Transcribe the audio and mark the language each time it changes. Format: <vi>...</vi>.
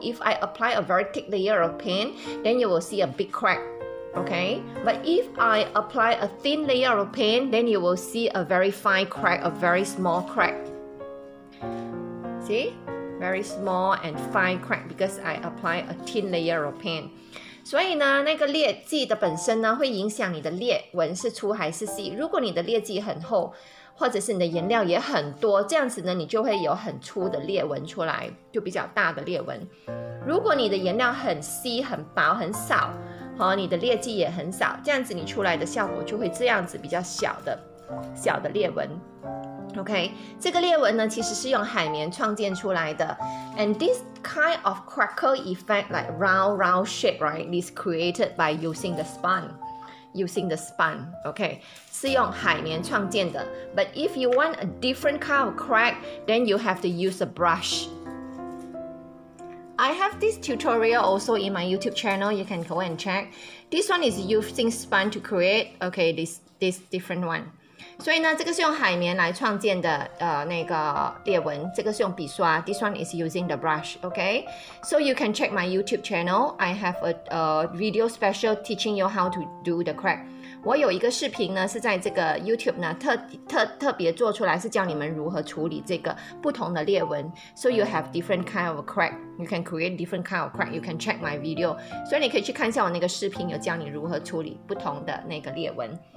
<en>If I apply a very thick layer of paint, then you will see a big crack, okay? But if I apply a thin layer of paint, then you will see a very fine crack, a very small crack. See? Very small and fine crack because I apply a thin layer of paint.</en> <zh>所以呢，那个劣迹的本身呢，会影响你的裂纹是粗还是细。如果你的劣迹很厚，或者是你的颜料也很多，这样子呢，你就会有很粗的裂纹出来，就比较大的裂纹。如果你的颜料很稀、很薄、很少，哦，你的劣迹也很少，这样子你出来的效果就会这样子比较小的裂纹。 OK, 这个裂纹呢其实是用海绵创建出来的。</zh> <en>And this kind of crackle effect, like round shape, right, is created by using the sponge, OK,</en> <zh>是用海绵创建的。</zh> <en>But if you want a different kind of crack, then you have to use a brush. I have this tutorial also in my YouTube channel, you can go and check. This one is using sponge to create, OK, this different one.</en> <zh>所以呢，这个是用海绵来创建的，那个裂纹。这个是用笔刷</zh> <en>，This one is using the brush. Okay, so you can check my YouTube channel. I have a video special teaching you how to do the crack.</en> <zh>我有一个视频呢，是在这个 YouTube 呢特别做出来，是教你们如何处理这个不同的裂纹。</zh> <en>So you have different kind of crack. You can create different kind of crack. You can check my video.</en> <zh>所以你可以去看一下我那个视频，有教你如何处理不同的那个裂纹。</zh>